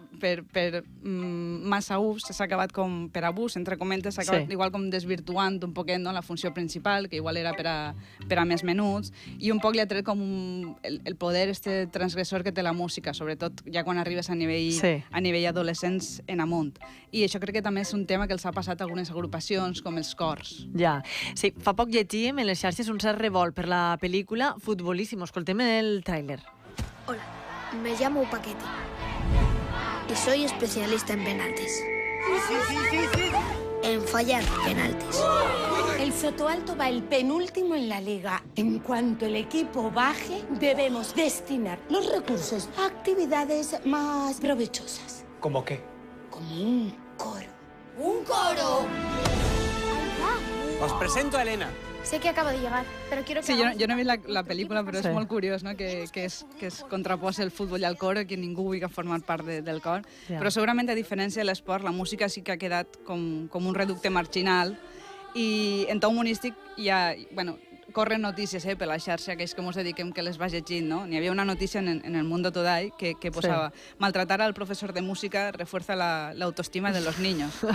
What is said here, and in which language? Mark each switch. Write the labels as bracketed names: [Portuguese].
[Catalan] per massa ús, s'ha acabat com per abús, entre comentes, s'ha acabat igual com desvirtuant un poquet, no?, la funció principal, que igual era per a més menuts, i un poc li ha tret com el poder este transgressor que té la música, sobretot ja quan arribes a nivell adolescents en amunt. I això crec que també és un tema que els ha passat a algunes agrupacions, com els cors. Ja. Sí, fa poc llegíem en les xarxes un cert revolt per la pel·lícula Futbolíssimo. Escoltem el tràiler. [Spanish] Hola, me llamo Paquete. Y soy especialista en penaltis. Sí. En fallar penaltis. El Sotoalto va el penúltimo en la liga. En cuanto el equipo baje, debemos destinar los recursos a actividades más provechosas. ¿Cómo qué? Como un coro. ¿Un coro? Os presento a Elena. Sé que acabo de llegar, pero quiero que... Sí, yo no he visto la película, pero es muy curioso, ¿no?, que es contrapose el fútbol y el coro, [Catalan] que ningú vulgui formar part del cor. Yeah. Però segurament, a diferència de l'esport, la música sí que ha quedat com un reducte marginal. I en to humanístic hi ha... Bueno, corren notícies per la xarxa, aquells que ens dediquem, que les va llegint, no? N'hi havia una notícia en el Mundo Today que posava maltratar al professor de música [Spanish] refuerza l'autoestima de los niños.